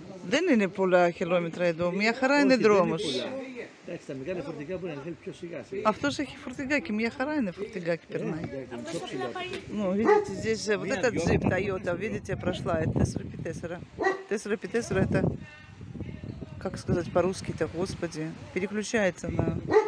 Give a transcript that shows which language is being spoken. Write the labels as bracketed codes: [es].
[ru] да не полтора километра, я думаю. Я хорошо не дромуш. [el] Εντάξει, τα μεγάλα φορτηγά μπορεί να θέλει πιο σιγά. Αυτό έχει φορτηγάκι, μια χαρά είναι φορτηγάκι περνάει. Αυτό είναι πιο ψηλά. [ru] Ναι, видите, здесь вот этот Toyota, видите, прошла, это 4x4. 4x4 это, как сказать по-русски-то, господи, переключается на...